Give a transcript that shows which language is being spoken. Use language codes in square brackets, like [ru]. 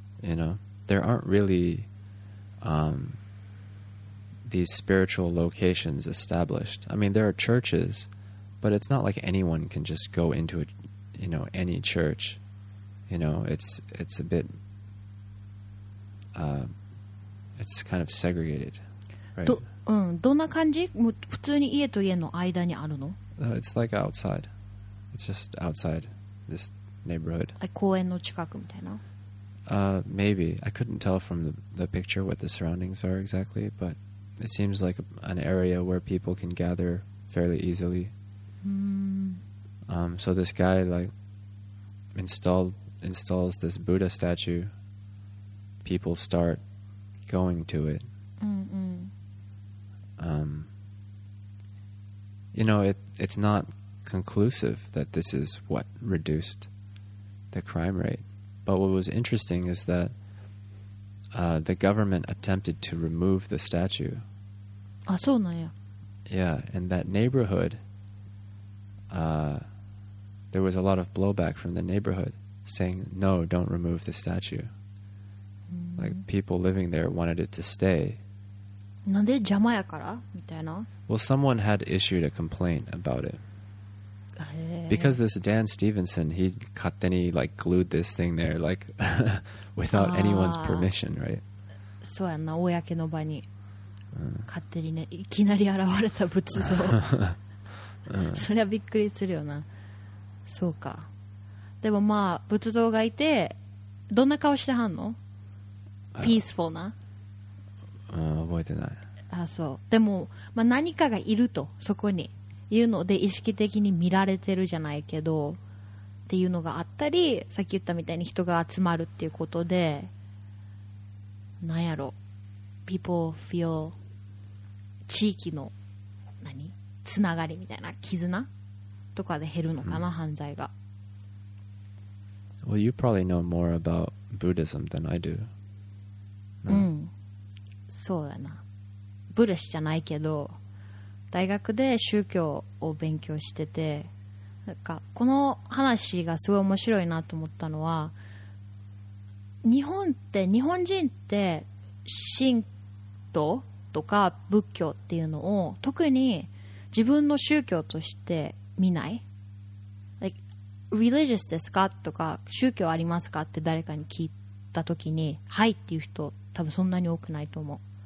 [en] You know, there aren't really、these spiritual locations established. I mean, there are churches, but it's not like anyone can just go into a, you know, any church. You know, it's a bit、it's kind of segregated. Right? [ja] どんな感じ? もう普通に家と家の間にあるの? [en] It's like outside. It's just outside this neighborhood. [ja] Like 公園の近くみたいな? [en] Maybe. I couldn't tell from the picture what the surroundings are exactly, but it seems like an area where people can gather fairly easily. So this guy like installs this Buddha statue. People start going to it. Mm-hmm. You know, it's not conclusive that this is what reduced the crime rate. But what was interesting is that the government attempted to remove the statue. [ja] Ah, so na ya. [en] Yeah, and that neighborhood, there was a lot of blowback from the neighborhood saying, no, don't remove the statue. Mm-hmm. Like, people living there wanted it to stay. [ja] なんで邪魔やからみたいな? [en] Well, someone had issued a complaint about it. [ja] へー。 [en] Because this Dan Stevenson, he [ja] 勝手に [en] like glued this thing there, like, without anyone's permission, right? [ja] そうやな、公の場に。うん。勝手にね、いきなり現れた仏像。うん。そりゃびっくりするよな。そうか。でもまあ、仏像がいて、どんな顔してはんの? Peacefulな。うん、覚えてない。あ、そう。でも、まあ、何かがいるとそこにいうので意識的に見られてるじゃないけどっていうのがあったり、さっき言ったみたいに人が集まるっていうことで、なんやろ、 [en] people feel [ja] 地域の何つながりみたいな絆とかで減るのかな、犯罪が。 [en] Well, you probably know more about Buddhism than I do. [ja] うん。そうだな、ブレスじゃないけど大学で宗教を勉強してて、なんかこの話がすごい面白いなと思ったのは、日本人って神道とか仏教っていうのを特に自分の宗教として見ない、 like, religious ですかとか宗教ありますかって誰かに聞いた時に、はいっていう人多分そんなに多くないと思う。